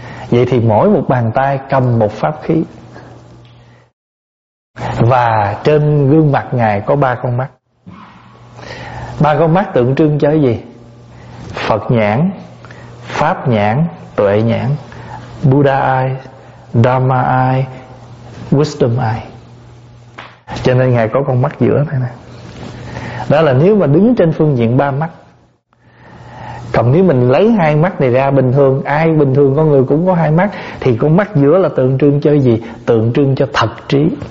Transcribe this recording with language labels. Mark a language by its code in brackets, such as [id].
[vi] Vậy thì mỗi một bàn tay cầm một pháp khí. Và trên gương mặt Ngài có ba con mắt. Ba con mắt tượng trưng cho cái gì? Phật nhãn, pháp nhãn, tuệ nhãn. [en] Buddha eye, Dharma eye, wisdom eye. [vi] Cho nên Ngài có con mắt giữa này nè. Đó là nếu mà đứng trên phương diện ba mắt. Còn nếu mình lấy hai mắt này ra, bình thường ai bình thường con người cũng có hai mắt, thì con mắt giữa là tượng trưng cho gì? Tượng trưng cho thật trí.